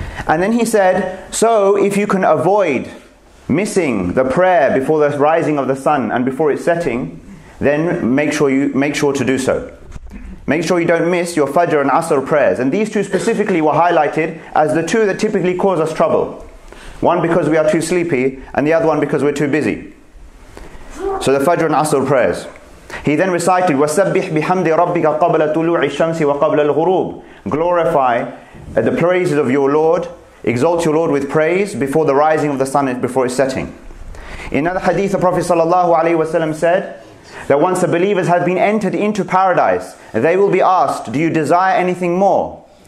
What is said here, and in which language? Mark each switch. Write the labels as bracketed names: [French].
[English] And then he said, so if you can avoid missing the prayer before the rising of the sun and before its setting, then make sure to do so. Make sure you don't miss your Fajr and Asr prayers. And these two specifically were highlighted as the two that typically cause us trouble. One because we are too sleepy, and the other one because we're too busy. So the Fajr and Asr prayers. He then recited, [Arabic] وَسَبِّحْ بِحَمْدِ رَبِّكَ قَبْلَ طُلُوعِ الشَّمْسِ وَقَبْلَ الْغُرُوبِ. [English] Glorify the praises of your Lord, exalt your Lord with praise before the rising of the sun and before its setting. In another hadith, the Prophet sallallahu alaihi wasallam said that once the believers have been entered into paradise, they will be asked, do you desire anything more?